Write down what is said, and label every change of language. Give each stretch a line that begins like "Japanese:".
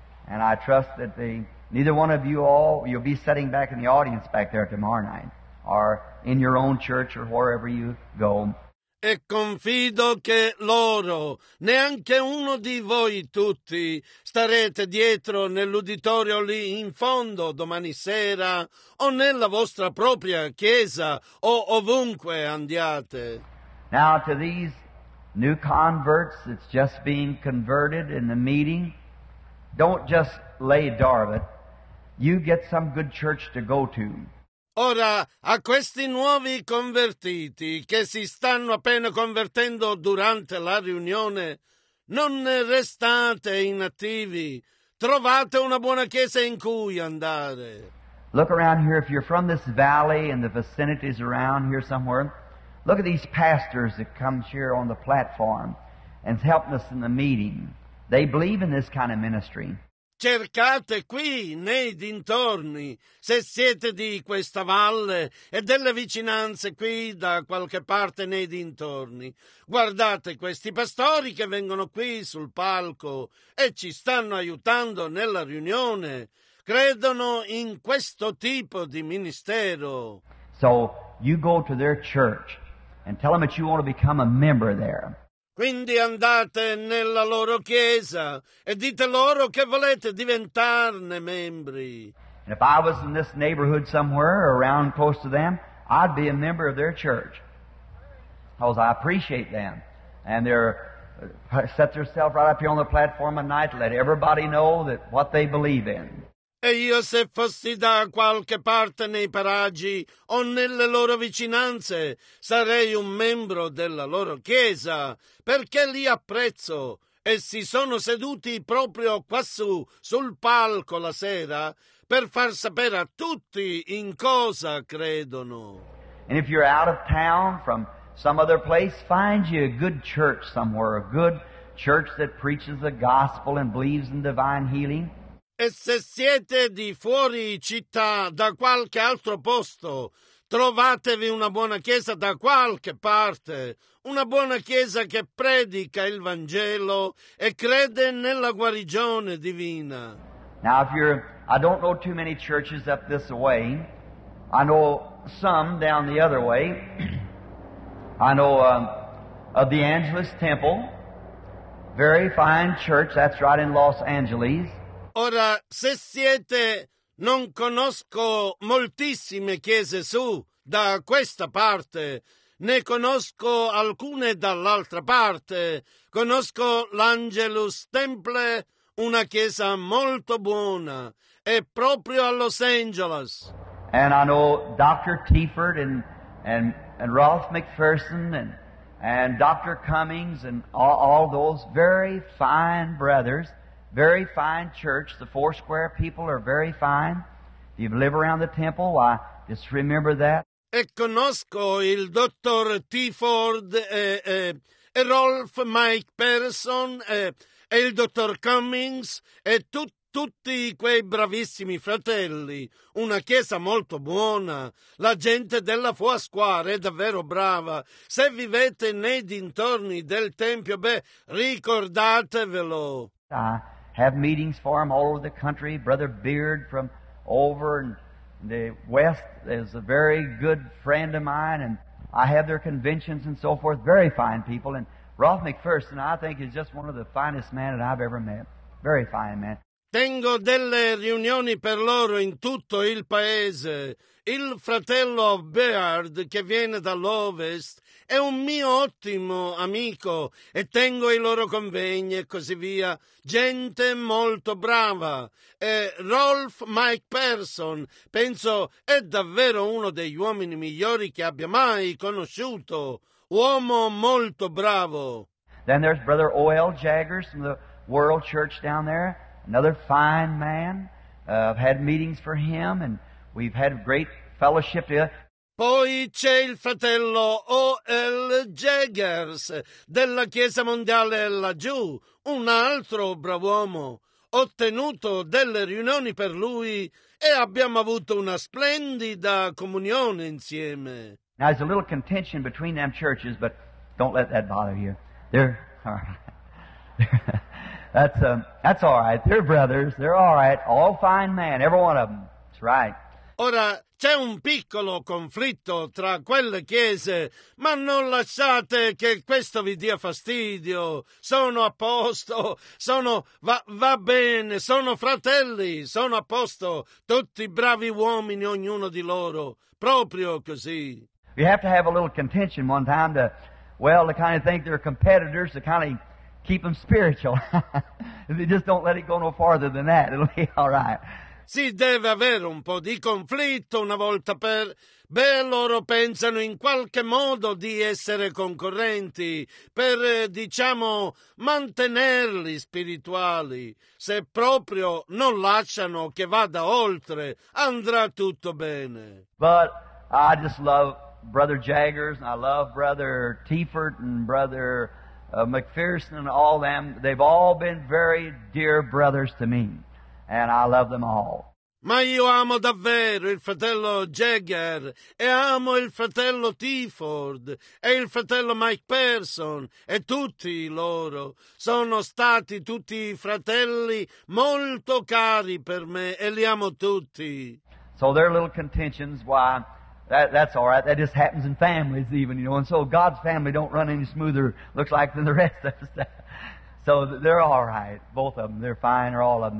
English: And I trust that the neither one of you all, you'll be sitting back in the audience back there tomorrow night, or in your own church or wherever you go.
Italian: E confido che loro, neanche uno di voi tutti, starete dietro nell'uditorio lì in fondo domani sera, o nella vostra propria chiesa, o ovunque andiate.
English: Now to these new converts that's just being converted in the meeting, don't just lay dormant. You get some good church to go to.
Italian: Ora, a questi nuovi convertiti che si stanno appena convertendo durante la riunione, non restate inattivi. Trovate una buona chiesa in cui andare.
English: Look around here, if you're from this valley and the vicinities around here somewhere, look at these pastors that come here on the platform and help us in the meeting. They believe in this kind of ministry.
Italian: Cercate qui, nei dintorni, se siete di questa valle e delle vicinanze qui, da qualche parte nei dintorni. Guardate questi pastori che vengono qui sul palco e ci stanno aiutando nella riunione. Credono in questo tipo di ministero.
English: So, you go to their church and tell them that you want to become a member there.
Italian: Quindi andate nella loro chiesa e dite loro che volete diventarne membri.
English: And if I was in this neighborhood somewhere around close to them, I'd be a member of their church. Because I appreciate them. And they're set themselves right up here on the platform at night to let everybody know that what they believe in.
Italian: E io se fossi da qualche parte nei paraggi o nelle loro vicinanze, sarei un membro della loro chiesa, perché li apprezzo. E si sono seduti proprio quassù, sul palco la sera, per far sapere a tutti in cosa credono.
English: And if you're out of town from some other place, find you a good church somewhere, a good church that preaches the gospel and believes in divine healing.
Italian: E se siete di fuori città, da qualche altro posto, trovatevi una buona chiesa da qualche parte, una buona chiesa che predica il Vangelo e crede nella guarigione divina.
English: Now if you're, I don't know too many churches up this way, I know some down the other way, I know of the Angelus Temple, very fine church, that's right in Los Angeles.
Italian: Ora, se siete, non conosco moltissime chiese su, da questa parte, ne conosco alcune dall'altra parte, conosco l'Angelus Temple, una chiesa molto buona, è proprio a Los Angeles.
English: And I know Dr. Tiford and Ralph McPherson and Dr. Cummings and all those very fine brothers. Very fine church. The Four Square people are very fine. If you live around the temple, why, just remember that.
Italian: E conosco il dottor Tiford e Rolf Mike Pearson e il dottor Cummings e tutti quei bravissimi fratelli. Una chiesa molto buona. La gente della Four Square è davvero brava. Se vivete nei dintorni del tempio, beh, ricordatevelo.
English: Have meetings for them all over the country. Brother Beard from over in the West is a very good friend of mine, and I have their conventions and so forth. Very fine people. And Ralph McPherson, I think, is just one of the finest men that I've ever met. Very fine man.
Italian: Tengo delle riunioni per loro in tutto il paese. Il fratello Beard, che viene dall'Ovest, è un mio ottimo amico e tengo i loro convegni e così via. Gente molto brava. E Rolf Mike Pearson, penso, è davvero uno degli uomini migliori che abbia mai conosciuto. Uomo molto bravo.
English: Then there's Brother O.L. Jaggers from the World Church down there. Another fine man. I've had meetings for him, and we've had great fellowship together.
Italian: Poi c'è il fratello O.L. Jaggers della Chiesa Mondiale laggiù, un altro brav'uomo. Ho tenuto delle riunioni per lui e abbiamo avuto una splendida comunione insieme.
English: Now there's a little contention between them churches, but don't let that bother you. They're that's all right. They're brothers. They're all right. All fine men, every one of them. That's right.
Italian: Ora c'è un piccolo conflitto tra quelle chiese, ma non lasciate che questo vi dia fastidio. Sono a posto. Va bene. Sono fratelli. Sono a posto. Tutti bravi uomini, ognuno di loro. Proprio così.
English: You have to have a little contention one time to, well, to kind of think they're competitors, to kind of keep them spiritual. If you just don't let it go no farther than that, it'll be all right.
Italian: Si deve avere un po' di conflitto una volta per... Beh, loro pensano in qualche modo di essere concorrenti per, diciamo, mantenerli spirituali. Se proprio non lasciano che vada oltre, andrà tutto bene.
English: But I just love Brother Jaggers, and I love Brother Tiford and Brother... McPherson and all them, they've all been very dear brothers to me, and I love them all.
Italian: Ma io amo davvero il fratello Jagger, e amo il fratello Tiford, e il fratello Mike Pearson, e tutti loro. Sono stati tutti fratelli molto cari per me, e li amo tutti.
English: So their little contentions, why, that's all right. That just happens in families even, you know. And so God's family don't run any smoother, looks like, than the rest of us. So they're all right, both of them. They're fine, or all of them.